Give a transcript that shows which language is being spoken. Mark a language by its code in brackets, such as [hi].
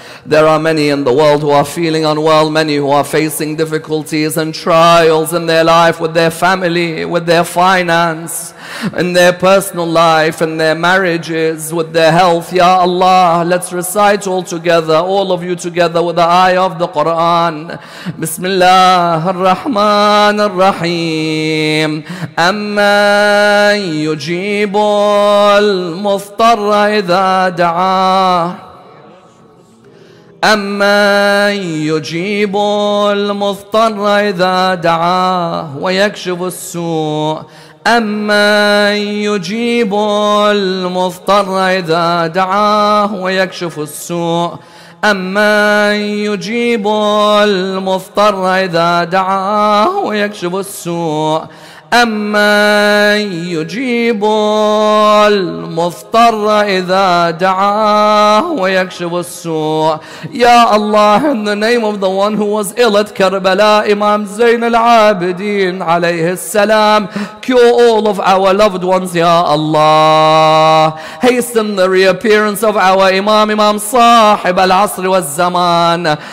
[en] There are many in the world who are feeling unwell, many who are facing difficulties and trials in their life, with their family, with their finance, in their personal life, in their marriages, with their health. Ya Allah, let's recite all together, all of you together, with the eye of the Quran. Bismillah ar-Rahman ar-Rahim. [ar] Amman يجيب المضطر إذا دعاه أمن يجيب المضطر إذا دعاه ويكشف السوء أمن يجيب المضطر إذا دعاه ويكشف السوء أمن يجيب المضطر إذا دعاه ويكشف السوء أمن يجيب المضطر إذا دعاه ويكشف السوء. [en] Ya Allah, in the name of the one who was ill at Karbala, Imam Zain al-Abidin alayhi salam, cure all of our loved ones, Ya Allah. Hasten the reappearance of our Imam, Imam Sahib al-Asr wal-Zaman.